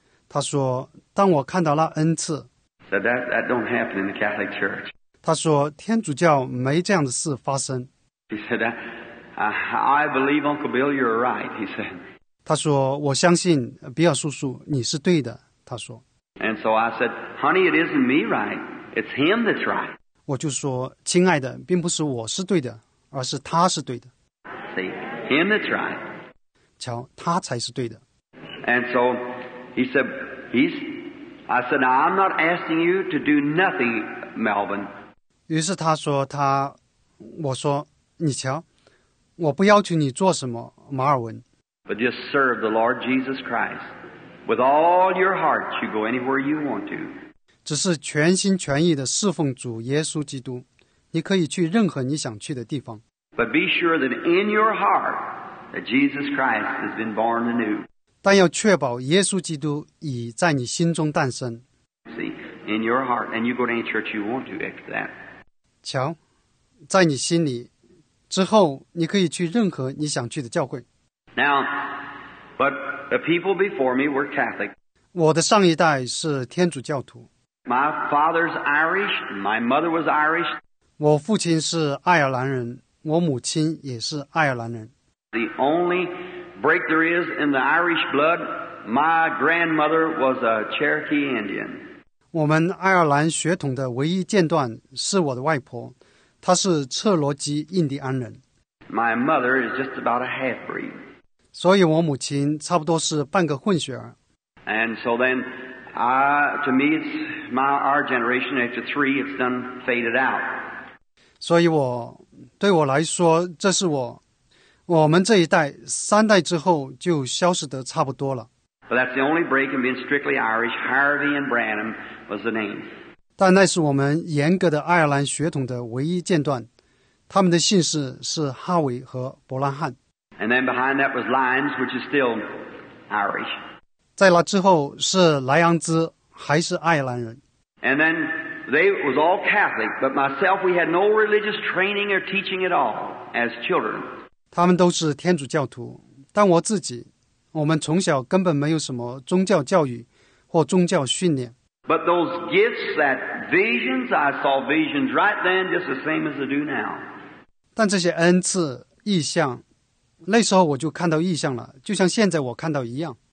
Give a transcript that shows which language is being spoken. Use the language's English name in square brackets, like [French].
[Chinese] 他说，当我看到那恩赐。 [English] Said that don't happen in the Catholic Church. [Chinese] 他说，天主教没这样的事发生。 [English] He said, "I believe Uncle Bill, you're right." He said. [Chinese] 他说，我相信比尔叔叔，你是对的。他说。 [English] And so I said, "Honey, it isn't me, right? It's him that's right." [Chinese] 我就说，亲爱的，并不是我是对的，而是他是对的。 [English] See, him that's right. [Chinese] 瞧，他才是对的。 [English] And so he said, "He's." I said, "Now I'm not asking you to do nothing, Melvin." [Chinese] 于是他说他，我说。你瞧，我不要求你做什么，马尔文。 [English] But just serve the Lord Jesus Christ with all your heart. You go anywhere you want to. [Chinese] 只是全心全意的侍奉主耶稣基督，你可以去任何你想去的地方。 [English] But be sure that in your heart that Jesus Christ has been born anew. [Chinese] 但要确保耶稣基督已在你心中诞生。 [English] See in your heart, and you go to any church you want to after that. [Chinese] 瞧，在你心里。之后你可以去任何你想去的教会。 [English] Now, but the people before me were Catholic. [Chinese] 我的上一代是天主教徒。 [English] My father's Irish, my mother was Irish. [Chinese] 我父亲是爱尔兰人，我母亲也是爱尔兰人。 [English] The only break there is in the Irish blood, my grandmother was a Cherokee Indian. [Chinese] 我们爱尔兰血统的唯一间断是我的外婆。他是彻罗基印第安人。 [English] My mother is just about a half-breed. [Chinese] 所以我母亲差不多是半个混血儿。 [English] And so then, to me, it's our generation after three, it's done faded out. [Chinese] 所以我对我来说，这是我们这一代三代之后就消失得差不多了。 [English] But that's the only break in being strictly Irish. Harvey and Branham was the name. [Chinese] 但那是我们严格的爱尔兰血统的唯一间断，他们的姓氏是哈维和伯拉汉。 [English] And then behind that was Lyons, which is still Irish. [Chinese] 在那之后是莱昂兹，还是爱尔兰人。 [English] And then they was all Catholic, but myself, we had no religious training or teaching at all as children. [Chinese] 他们都是天主教徒，但我自己，我们从小根本没有什么宗教教育或宗教训练。 [English] But those gifts, that visions, I saw visions right then, just the same as I do now. [Chinese] 但这些恩赐、异象，那时候我就看到异象了，就像现在我看到一样。